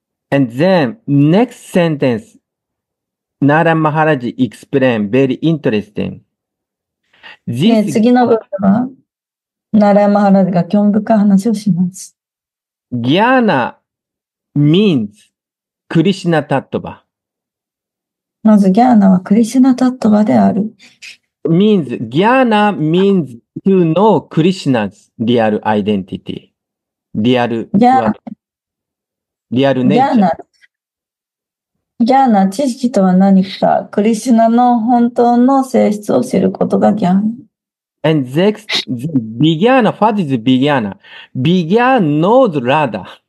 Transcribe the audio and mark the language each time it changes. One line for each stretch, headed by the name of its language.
English: And then, next sentence. ナーラン・マハラジ explain very interesting. This...
Japanese: 次の部分は、ナーラン・マハラジが興味深い話をします。
English: ギャーナ means クリシナ・タットバ。
Japanese: まずギャーナはクリシナ・タットバである。
English: means, ギャーナ means to know Krishna's real identity. Real nature.
Japanese: ギャーナ、知識とは何か。クリシュナの本当の性質を知ることがギャーナ。
English: And next, ビギャーナ、what is ビギャーナ?ビギャーナ knows Radha.